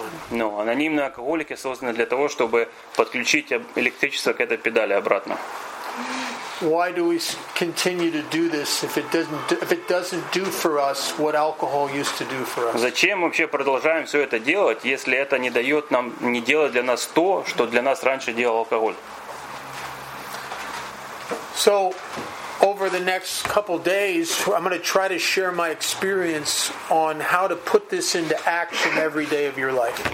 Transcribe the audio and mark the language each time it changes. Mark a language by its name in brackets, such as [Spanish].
[Russian] Но анонимные алкоголики созданы для того, чтобы подключить электричество к этой педали обратно. [English] Why do we continue to do this if it doesn't do for us what alcohol used to do for us? [Russian] Зачем вообще продолжаем все это делать, если это не дает нам не делать для нас то, что для нас раньше делал алкоголь? [English] So over the next couple days, I'm going to try to share my experience on how to put this into action every day of your life.